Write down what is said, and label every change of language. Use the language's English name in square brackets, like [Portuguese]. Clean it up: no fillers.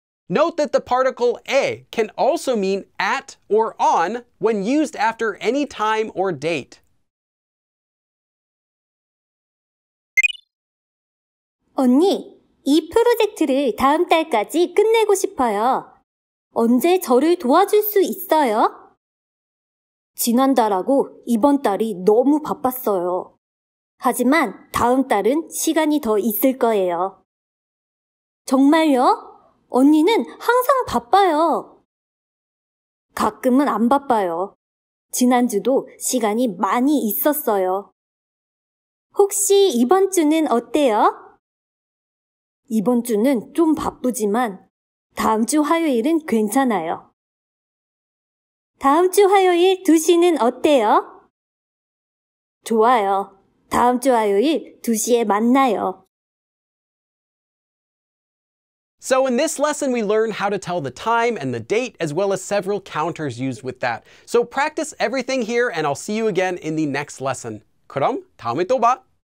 [English] Note that the particle 에 can also mean at or on when used after any time or date. [Korean] 언니, 이 프로젝트를 다음 달까지 끝내고 싶어요. 언제 저를 도와줄 수 있어요? 지난달하고 이번 달이 너무 바빴어요. 하지만 다음 달은 시간이 더 있을 거예요. 정말요? 언니는 항상 바빠요. 가끔은 안 바빠요. 지난주도 시간이 많이 있었어요. 혹시 이번 주는 어때요? 이번 주는 좀 바쁘지만 다음 주 화요일은 괜찮아요. 다음 주 화요일 2시는 어때요? 좋아요. 다음 주 화요일 2시에 만나요. [English] So in this lesson, we learn how to tell the time and the date, as well as several counters used with that. So practice everything here, and I'll see you again in the next lesson. [Korean] 그럼 다음에 또 봐!